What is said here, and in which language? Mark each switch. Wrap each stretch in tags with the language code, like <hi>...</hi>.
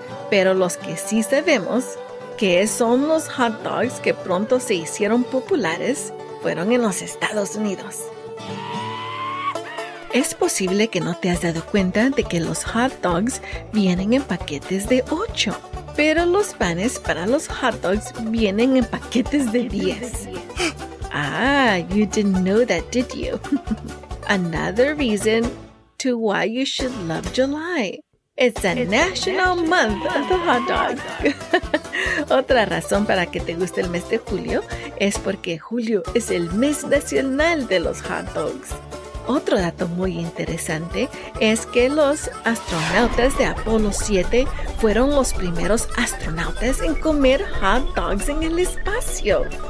<es>Pero los que sí sabemos que son los hot dogs que pronto se hicieron populares fueron en los Estados Unidos. Es posible que no te has dado cuenta de que los hot dogs vienen en paquetes de 8, pero los panes para los hot dogs vienen en paquetes de 10.</es> <en>Ah, you didn't know that, did you? Another reason to why you should love July. It's a national month of the hot dog.</en> <es>Otra razón para que te guste el mes de julio es porque julio es el mes nacional de los hot dogs. Otro dato muy interesante es que los astronautas de Apolo 7 fueron los primeros astronautas en comer hot dogs en el espacio.</es>